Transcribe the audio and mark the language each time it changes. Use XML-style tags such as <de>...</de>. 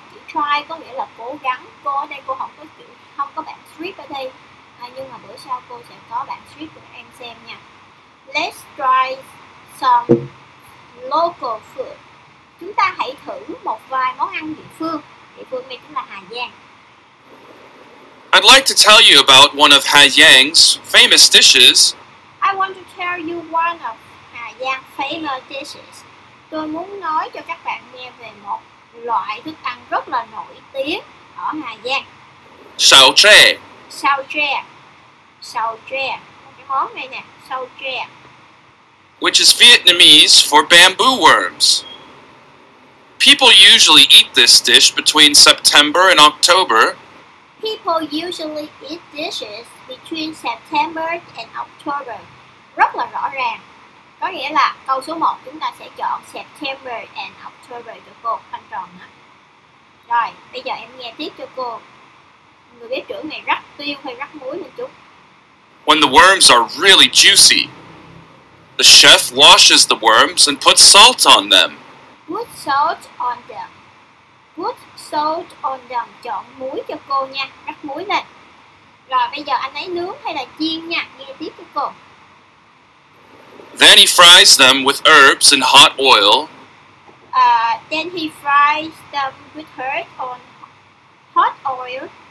<vi>Chữ try có nghĩa là cố gắng. Cô ở đây cô không có chữ, không có bảng script ở đây. Nhưng mà bữa sau cô sẽ có bảng script của em xem nha.</vi> <en>Let's try some local food.</en> <vi>Chúng ta hãy thử một vài món ăn địa phương. Địa phương này chính là Hà Giang.</vi> <en>I'd like to tell you about one of Haiyang's famous dishes. I want to tell you one of Haiyang's famous dishes.</en> <vi>Tôi muốn nói cho các bạn nghe về một loại thức ăn rất là nổi tiếng ở Hà Giang. Sầu tre. Sầu tre. Sầu tre. Cái món này nè, sầu tre.</vi> <en>Which is Vietnamese for bamboo worms. People usually eat this dish between September and October. People usually eat dishes between September and October.</en> <vi>Rất là rõ ràng. Có nghĩa là câu số 1 chúng ta sẽ chọn</vi> <en>September and October</en> <vi>cho cô, anh tròn đó. Rồi, bây giờ em nghe tiếp cho cô. Người bếp trưởng này rắc tiêu hay rắc muối một chút.</vi> <en>When the worms are really juicy, the chef washes the worms and puts salt on them. Put salt on them. Put salt on them.</en> <vi>Chọn muối cho cô nha. Rắc muối lên. Rồi bây giờ anh ấy nướng hay là chiên nha. Nghe tiếp cho cô.</vi> <en>Then he fries them with herbs and hot oil. Then he fries them with herbs on hot oil.</en>